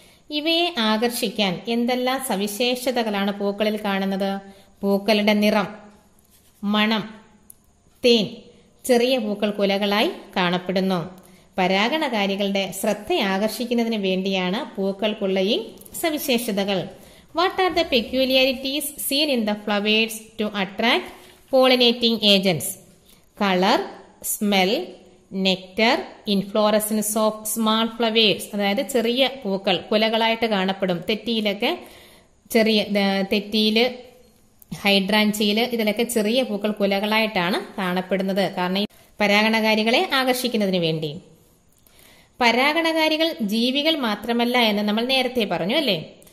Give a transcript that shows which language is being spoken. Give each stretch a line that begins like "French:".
Malayalam: ഇവയെ ആകർഷിക്കാൻ എന്തെല്ലാം സവിശേഷതകളാണ് പൂക്കളിൽ കാണുന്നത്? പൂക്കളുടെ നിറം, മണം, തേൻ ചെറിയ പൂക്കൾ കുലകളായി കാണപ്പെടുന്നു. പരാഗണകാരികളുടെ ശ്രദ്ധ ആകർഷിക്കുന്നതിന് വേണ്ടിയാണ് പൂക്കൾക്കുള്ള ഈ സവിശേഷതകൾ.
English: What are the peculiarities seen in the flowers to attract pollinating agents? Color, smell, nectar, inflorescence of small flowers.
Malayalam: അതായത് ചെറിയ പൂക്കൾ കുലകളായിട്ട് കാണപ്പെടും. തെറ്റിയിലൊക്കെ ചെറിയ തെറ്റിയില് ഹൈഡ്രാഞ്ചിയില് ഇതിലൊക്കെ ചെറിയ പൂക്കൾ കുലകളായിട്ടാണ് കാണപ്പെടുന്നത്. കാരണം പരാഗണകാരികളെ ആകർഷിക്കുന്നതിന് വേണ്ടി. പരാഗണകാരികൾ ജീവികൾ മാത്രമല്ല എന്ന് നമ്മൾ നേരത്തെ പറഞ്ഞു അല്ലേ.